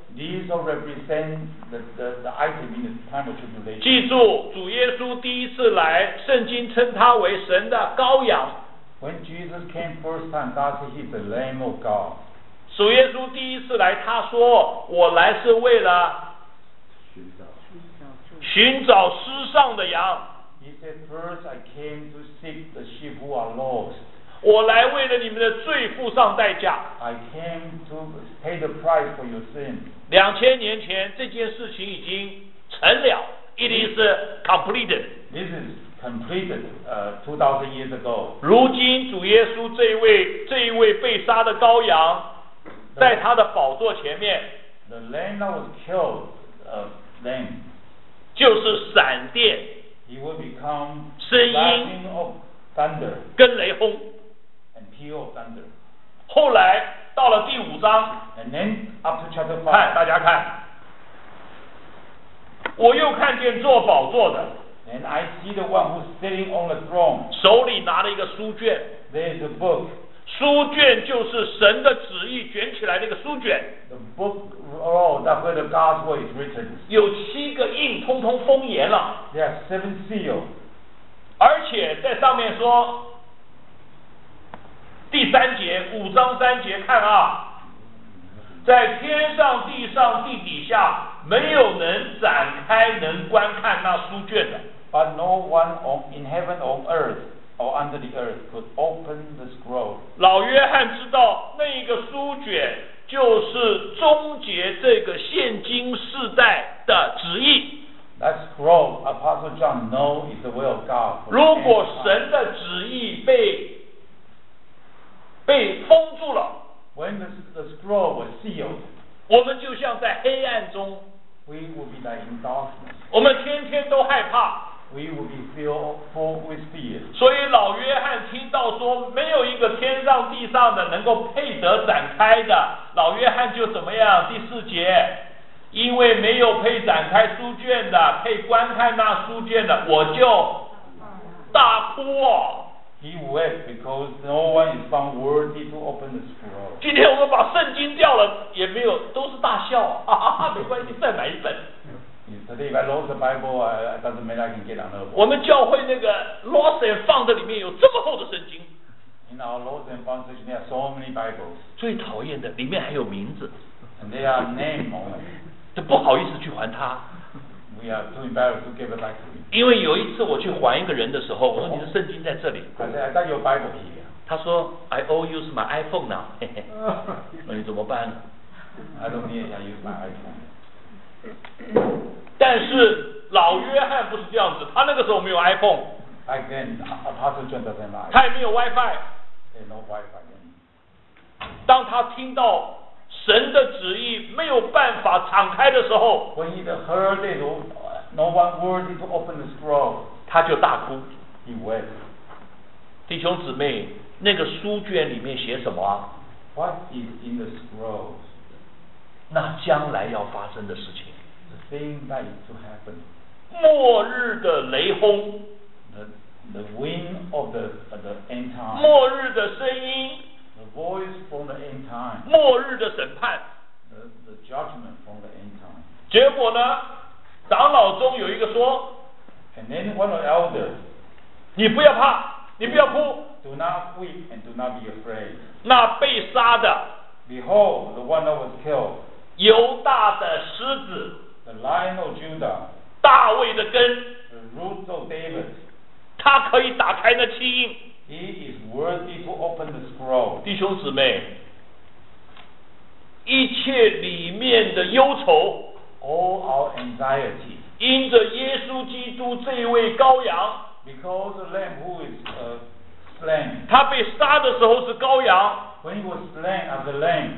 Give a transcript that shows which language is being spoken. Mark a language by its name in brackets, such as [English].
[English] These all represent the item in the time of tribulation. [Chinese] 记住，主耶稣第一次来，圣经称他为神的羔羊。 [English] When Jesus came first time, God said he's the Lamb of God. [Chinese] 主耶稣第一次来，他说我来是为了寻找失丧的羊。 [English] He said, first I came to seek the sheep who are lost. [Chinese] 我来为了你们的罪付上代价。 [English] I came to pay the price for your sin. [Chinese] 两千年前这件事情已经成了。 [English] It is completed. This is completed 2000 years ago. [Chinese] 如今主耶稣这一位被杀的羔羊在他的宝座前面。 [English] The lamb that was killed, then. [Chinese] 就是闪电。 [English] He will become lightning of thunder, [Chinese] 跟雷轰 [English] and peal of thunder. [Chinese] 后来到了第五章 [English] and then up to chapter 5, [Chinese] 看大家看，我又看见坐宝座的 [English] and I see the one who's sitting on the throne, [Chinese] 手里拿了一个书卷 [English] there's a book, [Chinese] 书卷就是神的旨意卷起来的一个书卷 [English] the book. Oh, that's where the God's word is written. [Chinese] 有七个印，通通封严了。 [English] There are seven seals. [Chinese] 而且在上面说，第三节，五章三节，看啊，在天上、地上、地底下，没有能展开、能观看那书卷的。 [English] But no one on in heaven or earth. Or under the earth could open the scroll. [Chinese] 老约翰知道那一个书卷就是终结这个现今世代的旨意。 [English] That scroll, Apostle John knows, is the will of God. [Chinese] 如果神的旨意被封住了 [English] ，When the scroll was sealed, [Chinese] 我们就像在黑暗中 [English] ，We would be like in darkness. [Chinese] 我们天天都害怕。 [English] We will be filled full with fear. [Chinese] 所以老约翰听到说没有一个天上地上的能够配得展开的，老约翰就怎么样？第四节，因为没有配展开书卷的，配观看那书卷的，我就大哭哦。 [English] He wept because no one is found worthy to open the scroll. [Chinese] 今天我们把圣经掉了也没有，都是大笑，哈哈哈，没关系，再买一本。 [English] Today, if I lost the Bible, I doesn't mean I can get another one. [Chinese] 我们教会那个 [English] lost and found [Chinese] 里面有这么厚的圣经。 [English] In our lost and found section, there are so many Bibles. [Chinese] 最讨厌的，里面还有名字。 [English] And they are name on it. [Chinese] 都不好意思去还他。 [English] We are too embarrassed to give it back to him. [Chinese] 因为有一次我去还一个人的时候，我说你的圣经在这里。 [English] I got your Bible here. [Chinese] 他说 [English] I owe you my iPhone now. [Chinese] 那你怎么办呢？ [English] I don't need to use my iPhone. [Chinese] 但是老约翰不是这样子，他那个时候没有 iPhone， [English] Again, Apostle John doesn't have. [Chinese] 他也没有 WiFi。 [English] Hey, no WiFi again. [Chinese] 当他听到神的旨意没有办法敞开的时候 [English] ，When he heard it, no one worthy to open the scroll， [Chinese] 他就大哭。 [English] He wept. [Chinese] 弟兄姊妹，那个书卷里面写什么 [English] ？What is in the scroll？ [Chinese] 那将来要发生的事情。 [English] Thing that is to happen. [Chinese] 末日的雷轰 [English] the wind of the end time. [Chinese] 末日的声音 [English] the voice from the end time. [Chinese] 末日的审判 [English] the judgment from the end time. [Chinese] 结果呢？长老中有一个说 [English] ，And then one of the elders. [Chinese] 你不要怕，你不要哭。 [English] Do not weep and do not be afraid. [Chinese] 那被杀的 [English] ，Behold, the one that was killed. [Chinese] 犹大的狮子。 [English] The Lion of Judah, [Chinese] 大卫的根 [English] the roots of David, [Chinese] 他可以打开那七印 [English] He is worthy to open the scroll. [Chinese] 弟兄姊妹，一切里面的忧愁 [English] All our anxiety, [Chinese] 因着耶稣基督这位羔羊 [English] Because the Lamb who is slain, [Chinese] 他被杀的时候是羔羊 [English] When he was slain as a lamb,